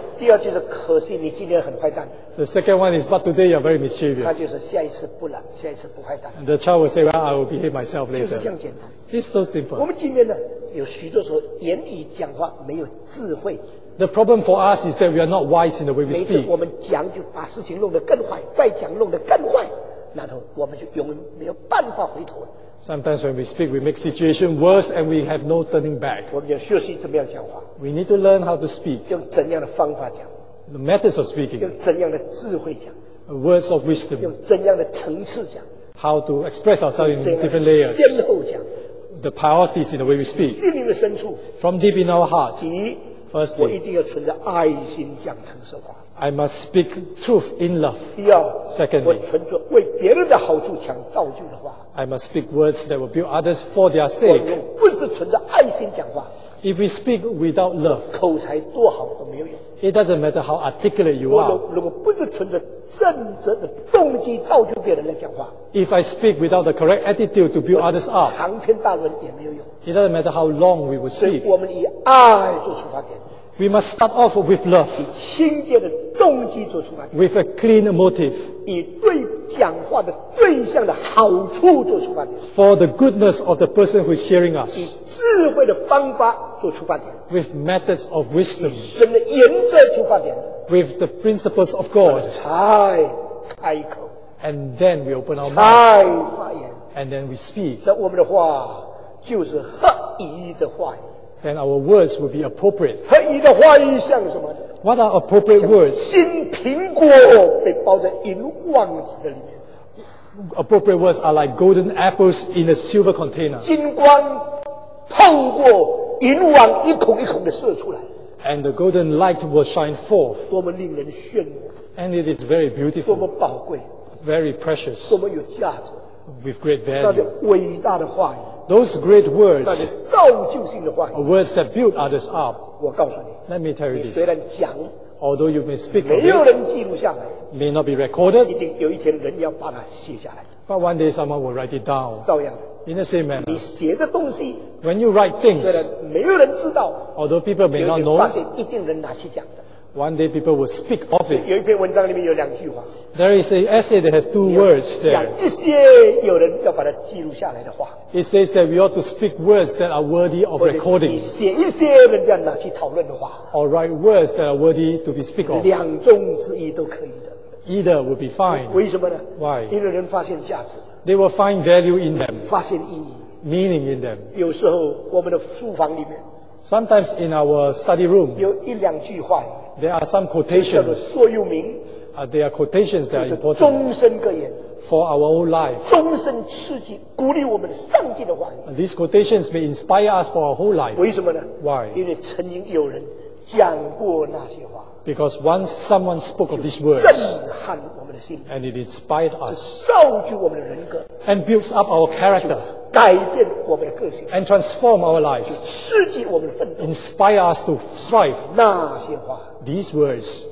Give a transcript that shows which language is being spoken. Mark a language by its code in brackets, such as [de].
[zh] 第二句是可惜你今天很坏蛋。 [en] The second one is, but today you are very mischievous. [zh] 他就是下一次不了，下一次不坏蛋。 [en] The child will say, well, I will behave myself later. [zh] 就是这样简单。 [en] It's so simple. [zh] 我们今天呢，有许多时候言语讲话没有智慧。 [en] The problem for us is that we are not wise in the way we speak. [zh] 每次我们讲就把事情弄得更坏，再讲弄得更坏，然后我们就永远没有办法回头。 [en] Sometimes when we speak, we make situation worse and we have no turning back. [zh] 我们要学习怎么样讲话。 [en] We need to learn how to speak. [zh] 用怎样的方法讲。 [en] The methods of speaking. [zh] 用怎样的智慧讲。 [en] Words of wisdom. [zh] 用怎样的层次讲。 [en] How to express ourselves in different layers. [zh] 先后讲。 [en] The priorities in the way we speak. [zh] 心灵的深处。 [en] From deep in our heart. [zh] 第一， [en] firstly, [zh] 我一定要存着爱心讲诚实话。 [en] I must speak truth in love. [zh] 第二， [en] secondly, [zh] 我存着为别人的好处讲造就的话。 [en] I must speak words that will build others for their sake. [zh] 不是存着爱心讲话。 [en] If we speak without love, [zh] 口才多好都没有用。 [en] It doesn't matter how articulate you are. [zh] 如果不是存着正直的动机造就别人来讲话。 [en] If I speak without the correct attitude to build others up, [zh] 长篇大论也没有用。 [en] It doesn't matter how long we will speak. [zh] 我们以爱做出发点。 [en] We must start off with love. [zh] 以清洁的动机做出发点。 [en] With a clean motive. [zh] 以对讲话的对象的好处做出发点。 [en] For the goodness of the person who is hearing us. [zh] 以智慧的方法做出发点。 [en] With methods of wisdom. [zh] 以神的原则出发点。 [en] With the principles of God. [zh] 才开口。 [en] And then we open our mouth. [zh] 才发言。 [en] And then we speak. [zh] 那我们的话就是合宜的话语。 [en] Then our words will be appropriate. [zh] 合宜的话语像什么？ [en] What are appropriate words? [zh] 新苹果被包在银网子的里面。 [en] Appropriate words are like golden apples in a silver container. [zh] 金光透过银网一孔一孔的射出来。 [en] And the golden light will shine forth. [zh] 多么令人炫目。 [en] And it is very beautiful. [zh] 多么宝贵。 [en] Very precious. [zh] 多么有价值。 [en] With great value. [zh] 那些伟大的话语。 [en] Those great words, [zh] 那些造就性的话语, [en] are words that build others up. [zh] 我告诉你, [en] let me tell you this. [zh] 你虽然讲, [en] although you may speak, [zh] 没有人记录下来, [en] may not be recorded. [zh] 一定有一天人要把它写下来。 [en] But one day someone will write it down. [zh] 照样, [en] in the same manner. [zh] 你写的东西, [en] when you write things, [zh] 虽然没有人知道, [en] although people may not know, [zh] 发现一定人拿去讲的。 [en] One day people will speak of it. [zh] 有一篇文章里面有两句话。 [en] There is an essay that has two words there. [zh] 讲一些有人要把它记录下来的话。 [en] It says that we ought to speak words that are worthy of recording. [zh] 你写一些人家拿去讨论的话。 [en] Or write words that are worthy to be speak of. [zh] 两种之一都可以的。 [en] Either would be fine. [zh] 为什么呢？ [en] Why? [zh] 因为人发现价值。 [en] They will find value in them. [zh] 发现意义。 [en] Meaning in them. [zh] 有时候我们的书房里面。 [en] Sometimes in our study room. [zh] 有一两句话。 [en] There are some quotations. [zh] 叫做座右铭。 [en] There are quotations that are important. [zh] 终身格言。 [en] For our own life. [zh] 终身刺激鼓励我们上进的话语。 [en] These quotations may inspire us for our whole life. [zh] 为什么呢？ [en] Why? [zh] 因为曾经有人讲过那些话。 [en] Because once someone spoke of these words, [zh] 震撼我们的心。 [en] And it inspired us. [zh] 造就我们的人格。 [en] And builds up our character. [zh] 改变我们的个性。 [en] And transform our lives. [zh] 刺激我们的奋斗。 [en] Inspire us to strive. [zh] 那些话。 [en] These words.